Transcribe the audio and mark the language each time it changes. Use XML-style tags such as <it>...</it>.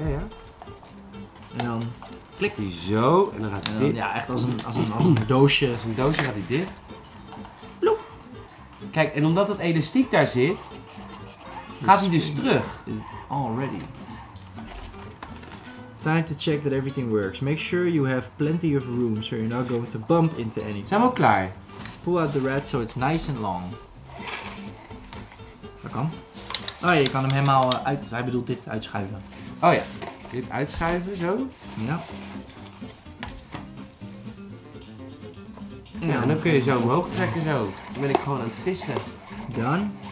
<nl>Ja, ja. En dan klikt hij zo en dan gaat hij dicht. Ja, echt als een doosje. Als een doosje gaat hij dicht. Bloep. Kijk, en omdat dat elastiek daar zit, gaat hij dus terug.</nl> <en>Already. Time to check that everything works. Make sure you have plenty of room so you're not going to bump into anything.</en> <nl>Zijn we al klaar?</nl> <en>Pull out the red so it's nice and long.</en> <nl>Dat kan. Oh ja, je kan hem helemaal uit... Hij bedoelt dit uitschuiven. Oh ja. Dit uitschuiven, zo. Ja. Ja, en dan kun je zo omhoog trekken, zo. Dan ben ik gewoon aan het vissen.</nl> <en>Done.</en>